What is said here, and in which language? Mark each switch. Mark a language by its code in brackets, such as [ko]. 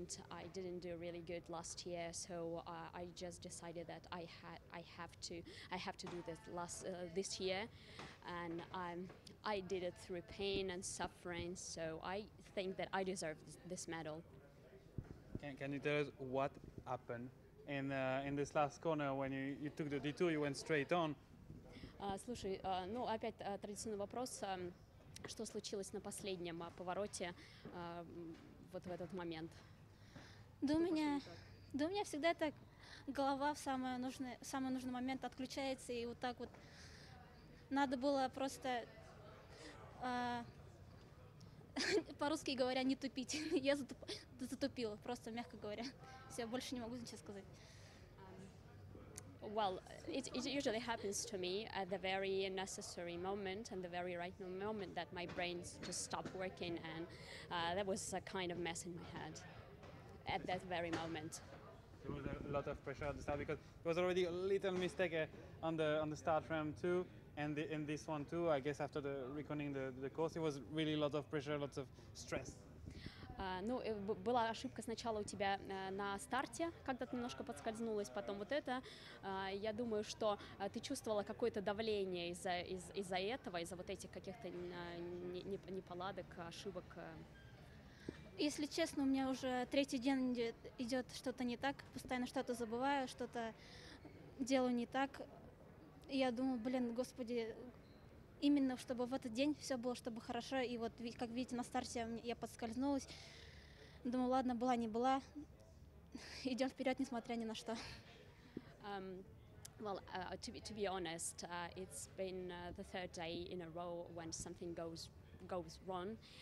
[en] I didn't do really good last year, so I just decided that I have to do this this year, and I did it through pain and suffering. So I think that I deserve this medal. Can you tell us what happened in this last corner when you took the detour? You went straight on. [ru] Слушай, ну опять традиционный вопрос. Что случилось на последнем повороте вот в этот момент? Да у меня всегда так голова в самый нужный момент отключается, и вот так вот надо было просто, по-русски говоря, не тупить. Я затупила, просто мягко говоря. Все, больше не могу ничего сказать. [en] Well, it usually happens to me at the very necessary moment and the very right moment that my brain just stopped working, and that was a kind of mess in my head at that very moment. There was a lot of pressure at the start because there was already a little mistake on the start ramp too, and in this one too. I guess after reconning the course, it was really a lot of pressure, lots of stress. [ru] Ну, была ошибка сначала у тебя на старте, когда ты немножко подскользнулась, потом вот это. Я думаю, что ты чувствовала какое-то давление из-за этого, из-за вот этих каких-то неполадок, ошибок. Если честно, у меня уже третий день идет что-то не так. Постоянно что-то забываю, что-то делаю не так. Я думаю, блин, господи, именно чтобы в этот день все было, чтобы хорошо. И вот, как видите, на старте я подскользнулась. Думаю, ладно, была не была. Идем вперед, несмотря ни на что. [en] Well, to be honest, it's been the third day in a row when something goes wrong.